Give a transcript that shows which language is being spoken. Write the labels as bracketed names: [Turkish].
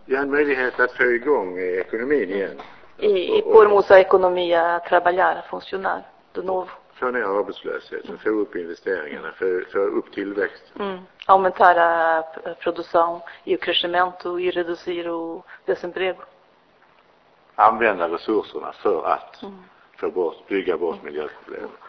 [Swedish] Ja, en möjlighet att få igång ekonomin igen. [Portuguese] I pormos a economia a trabalhar, a funcionar de novo. [Swedish] Få ner arbetslösheten, få upp investeringarna, få upp tillväxt. [Portuguese] Aumentar a produção e o crescimento e reduzir o desemprego. [Swedish] Använda resurserna för att bygga bort miljöproblem.